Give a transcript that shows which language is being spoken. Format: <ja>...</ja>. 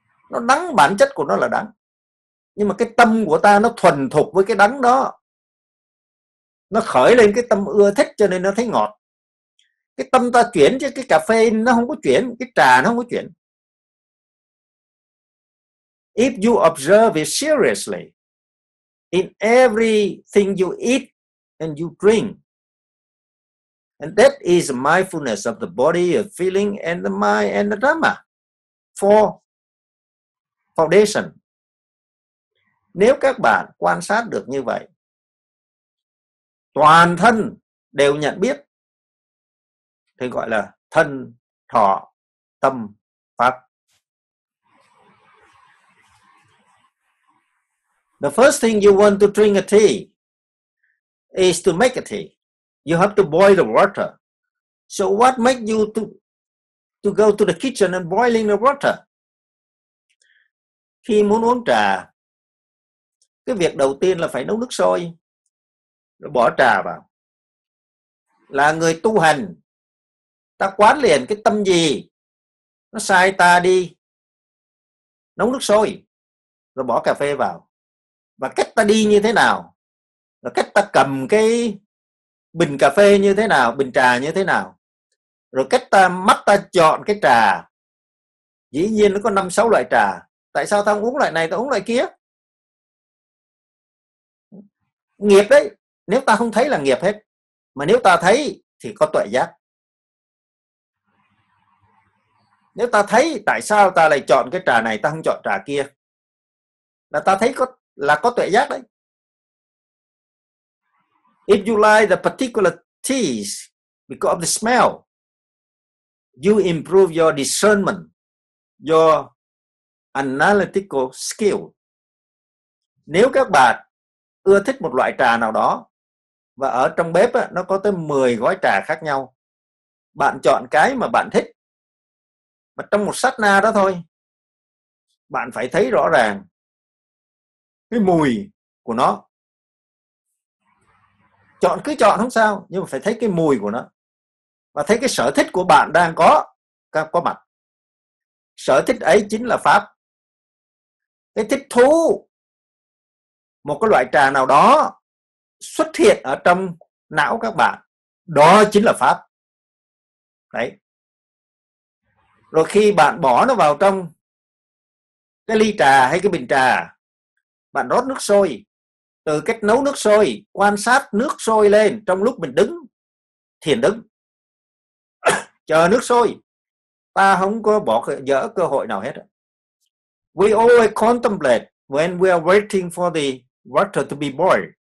<vi>Nó đắng, bản chất của nó là đắng. Nhưng mà cái tâm của ta nó thuần thục với cái đắng đó. Nó khởi lên cái tâm ưa thích cho nên nó thấy ngọt. Cái tâm ta chuyển chứ cái cà phê nó không có chuyển, cái trà nó không có chuyển.</vi> <en>If you observe it seriously, in everything you eat and you drink, and that is mindfulness of the body, of feeling, and the mind, and the Dhamma, for foundation.</en> <vi>Nếu các bạn quan sát được như vậy, toàn thân đều nhận biết, thì gọi là thân, thọ, tâm, pháp.</vi> <en>The first thing you want to drink a tea is to make a tea. You have to boil the water. So what makes you to go to the kitchen and boiling the water?</en> <vi>Khi muốn uống trà, cái việc đầu tiên là phải nấu nước sôi, rồi bỏ trà vào. Là người tu hành, ta quán liền cái tâm gì nó sai ta đi nấu nước sôi, rồi bỏ cà phê vào. Và cách ta đi như thế nào, rồi cách ta cầm cái bình cà phê như thế nào, bình trà như thế nào, rồi cách ta mắt ta chọn cái trà. Dĩ nhiên nó có 5-6 loại trà. Tại sao ta không uống loại này, ta uống loại kia? Nghiệp đấy, nếu ta không thấy là nghiệp hết. Mà nếu ta thấy thì có tuệ giác. Nếu ta thấy tại sao ta lại chọn cái trà này, ta không chọn trà kia, là ta thấy có, là có tuệ giác đấy.</vi> <en>If you like the particular taste because of the smell, you improve your discernment, your analytical skill.</en> <vi>Nếu các bạn ưa thích một loại trà nào đó, và ở trong bếp á, nó có tới 10 gói trà khác nhau, bạn chọn cái mà bạn thích, mà trong một sát na đó thôi, bạn phải thấy rõ ràng cái mùi của nó. Chọn cứ chọn không sao, nhưng mà phải thấy cái mùi của nó. Và thấy cái sở thích của bạn đang có mặt. Sở thích ấy chính là pháp. Cái thích thú, một cái loại trà nào đó xuất hiện ở trong não các bạn, đó chính là pháp. Đấy. Rồi khi bạn bỏ nó vào trong cái ly trà hay cái bình trà, bạn rót nước sôi. Từ cách nấu nước sôi, quan sát nước sôi lên trong lúc mình đứng, thiền đứng, chờ nước sôi, ta không có bỏ dở cơ hội nào hết.</vi> <en>We always contemplate when we are waiting for the water to be boiled.</en>